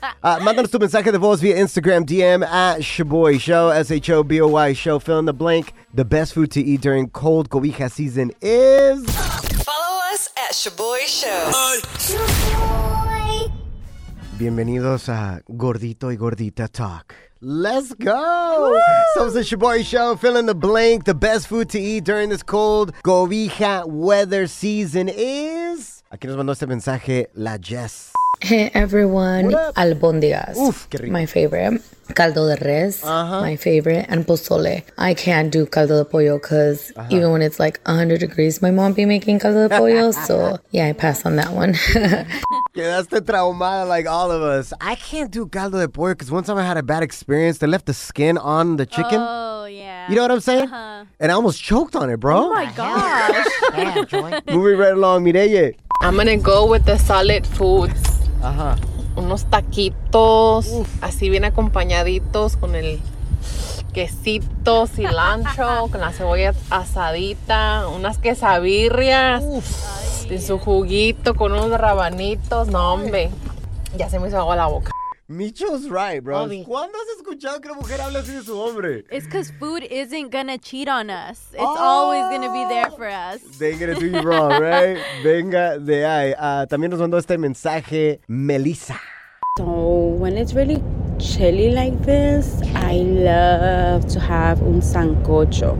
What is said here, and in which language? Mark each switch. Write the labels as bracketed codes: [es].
[es] Mándanos tu mensaje de voz via Instagram DM at Shaboy Show, Shaboy Show. [en] Fill in the blank. The best food to eat during cold cobija season is... Follow us at Shaboy Show. [es] Bienvenidos a Gordito y Gordita Talk. [en] Let's go! So it's the Shaboy Show, fill in the blank. The best food to eat during this cold cobija weather season is... [es] Aquí nos mandó este mensaje la Jess. [en] Hey everyone, albóndigas. [es] Uf, qué rico. [en] My favorite. Caldo de res, my favorite, and pozole. I can't do caldo de pollo because even when it's like 100 degrees, my mom be making caldo de pollo, so yeah, I pass on that one. [es] Quedaste traumada [en] like all of us. I can't do caldo de pollo because one time I had a bad experience. They left the skin on the chicken. Oh, yeah. You know what I'm saying? Uh-huh. And I almost choked on it, bro. Oh, my gosh. Moving right along, Mireye. I'm going to go with the solid foods. Uh-huh. [es] Unos taquitos, así bien acompañaditos con el quesito, cilantro, con la cebolla asadita, unas quesabirrias, en su juguito, con unos rabanitos, no hombre, ya se me hizo agua la boca. [en] Micho's right, bro. Bobby. [es] ¿Cuándo has escuchado que una mujer habla así de su hombre? [en] It's because food isn't gonna cheat on us. It's always gonna be there for us. They ain't gonna do you wrong, right? [es] Venga de ahí. También nos mandó este mensaje Melissa. [en] So when it's really chilly like this, I love to have [es] un sancocho.